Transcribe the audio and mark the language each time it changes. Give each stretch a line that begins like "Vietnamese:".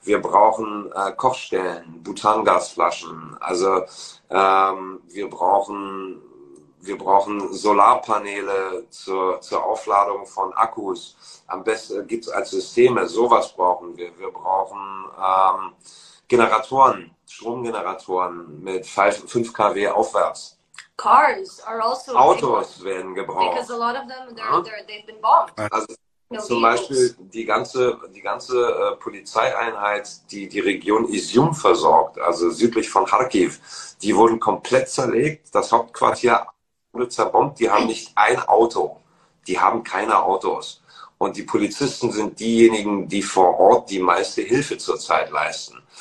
German: Wir brauchen Kochstellen, Butangasflaschen, also wir brauchen Solarpaneele zur Aufladung von Akkus. Am besten gibt es als Systeme, sowas brauchen wir. Wir brauchen Generatoren, Stromgeneratoren mit 5 kW aufwärts.
English: Cars are also
German: Autos werden gebraucht.
English: Because a lot of them, they've been bombed.
German: Also, zum Beispiel die ganze Polizeieinheit, die Region Izium versorgt, also südlich von Kharkiv, die wurden komplett zerlegt. Das Hauptquartier wurde zerbombt. Die haben nicht ein Auto. Die haben keine Autos. Und die Polizisten sind diejenigen, die vor Ort die meiste Hilfe zurzeit leisten.